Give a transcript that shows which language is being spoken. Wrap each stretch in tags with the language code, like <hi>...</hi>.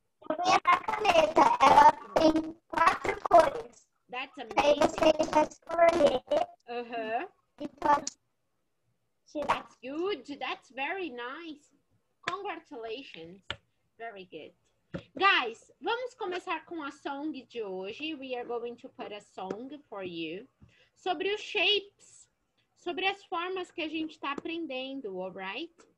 <pt>A minha caneta, ela tem quatro cores.</pt> <en>That's amazing.</en> <pt>Aí você vai escolher. Uh-huh. E pode tirar.</pt> <en>That's good. That's very nice. Congratulations. Very good.</en> <pt>Guys, vamos começar com a song de hoje.</pt> <en>We are going to put a song for you.</en> <pt>Sobre os shapes. Sobre as formas que a gente está aprendendo, alright?</pt>